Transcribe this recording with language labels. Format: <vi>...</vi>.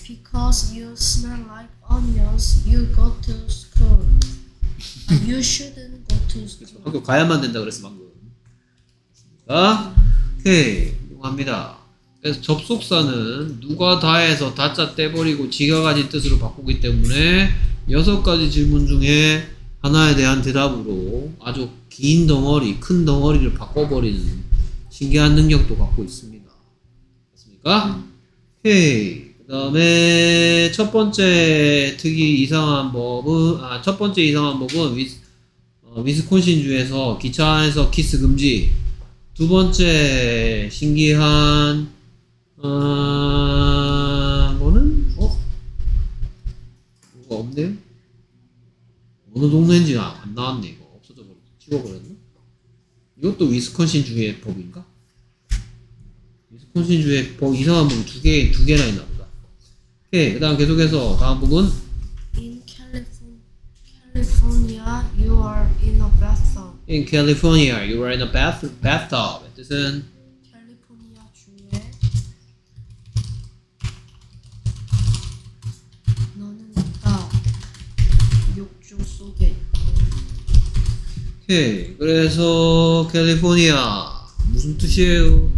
<en>Because you smell like Onions, you go to school. You shouldn't go to school.</en> <ko>학교 가야만 된다 그랬어 방금. 아? 오케이 갑니다. 그래서 접속사는 누가 다해서 다짜 떼버리고 지가 가진 뜻으로 바꾸기 때문에 여섯 가지 질문 중에 하나에 대한 대답으로 아주 긴 덩어리, 큰 덩어리를 바꿔버리는 신기한 능력도 갖고 있습니다. 맞습니까? 오케이. 그 다음에 첫 번째 특이 이상한 법은 첫 번째 이상한 법은 위스콘신주에서 기차 안에서 키스 금지 두 번째 신기한 거는 뭐가 없네 어느 동네인지 안 나왔네 이거 없어져 버렸네 치워버렸네 이것도 위스콘신주의 법인가? 위스콘신주의 법 이상한 법이 두 개나 있나 오케이, 그 다음 계속해서 다음 부분</ko> <en>In California, you are in a bathtub In California, you are in a bathtub</en> <ko>뜻은 캘리포니아 주에 너는 있다 욕조 속에 오케이, 그래서 캘리포니아 무슨 뜻이에요?</ko>